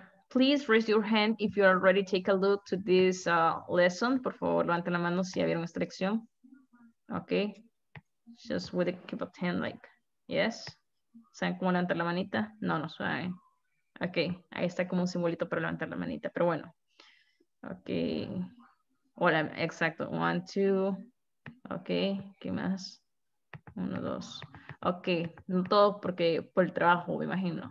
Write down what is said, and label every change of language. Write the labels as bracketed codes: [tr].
[en] Please raise your hand if you already take a look to this lesson. [es] Por favor, levanten la mano si ya vieron esta lección. Ok. [en] Just with a keep of hand, like, yes. [es] ¿Saben cómo levantar la manita? No, no saben. Ok, ahí está como un simbolito para levantar la manita, pero bueno. [en] Ok. [es] Hola, exacto. [en] One, two. [es] Ok, ¿qué más? Uno, dos. Ok, no todo porque por el trabajo, me imagino.